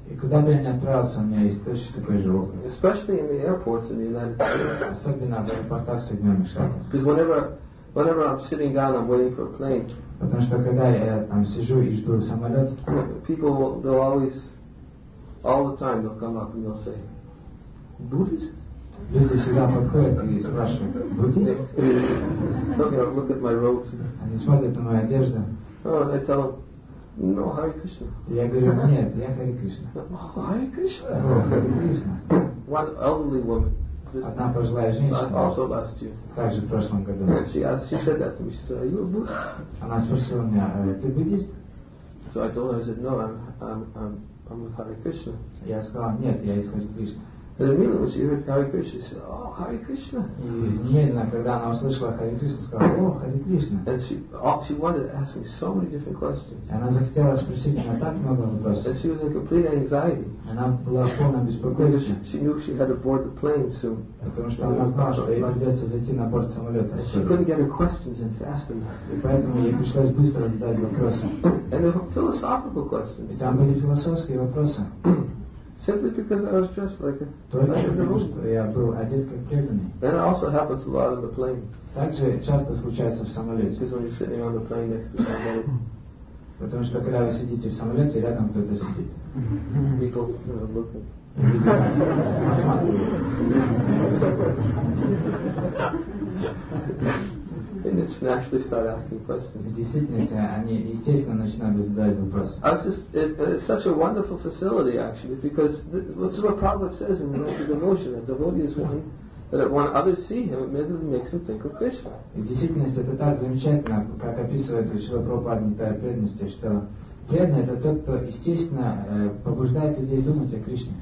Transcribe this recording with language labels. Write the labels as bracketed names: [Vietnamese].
[Russian] И куда бы я ни отправился, у меня есть точно такой же опыт. [English] Especially in the airports in the United States. [Russian] Особенно в аэропортах Соединенных Штатов. [English] Because whenever I'm sitting down, I'm waiting for a plane. [Russian] Потому что когда я там сижу и жду самолет, [English] people will, they'll always, all the time, they'll come up and they'll say, Buddhist? [Russian] Люди всегда подходят и спрашивают, Буддист? [English] Look at my robes. [Russian] Они смотрят на мою одежду. [English] Oh, they tell them, no, Hare Krishna. [Russian] Я говорю, нет, я Hare Krishna. [English] Oh, Hare Krishna. Hare Krishna. One elderly woman. [Russian] Одна пожилая женщина, [English] also last year. [Russian] Также в прошлом году. [English] She said that to me. She said, "Are you a Buddhist?" [Russian] Она спросила меня, "Ты буддист?" [English] So I told her, I said, "No, I'm with Hare Krishna." [Russian] Я сказала, "Нет, я из Hare Krishna." [English] And immediately she heard Hare Krishna, she said, "Oh, Hare Krishna." [Russian] И немедленно, когда она услышала Hare Krishna, сказала, "О, Hare Krishna." [English] And she wanted to ask me so many different questions. [Russian] Она захотела спросить меня так много вопросов. [English] And she was in complete anxiety. [Russian] Она была в полном беспокойстве. [English] She knew she had to board the plane soon. [Russian] Потому что она знала, что ей придется зайти на борт самолета. [English] She couldn't get her questions in fast enough. [Russian] И поэтому ей пришлось быстро задать вопросы. [English] And there were philosophical questions. [Russian] И там были философские вопросы. [English] Simply because I was dressed like a devotee. That also happens a lot on the plane. [Russian] Также часто случается в самолете. [English] Because when you're sitting on the plane next to somebody. [Russian] Потому что когда вы сидите в самолете, рядом кто-то сидит. [English] People are looking. And they just naturally start asking questions. [Russian] В действительности они естественно начинают задавать вопросы. [English] It's such a wonderful facility actually, because this is what Prabhupada says in the Nectar Devotion. A devotee is one that when others see him, it immediately makes him think of Krishna. [Russian] В действительности это так замечательно, как описывает Шрила Прабхупада Нектар Преданности, что преданный это тот, кто естественно побуждает людей думать о Кришне.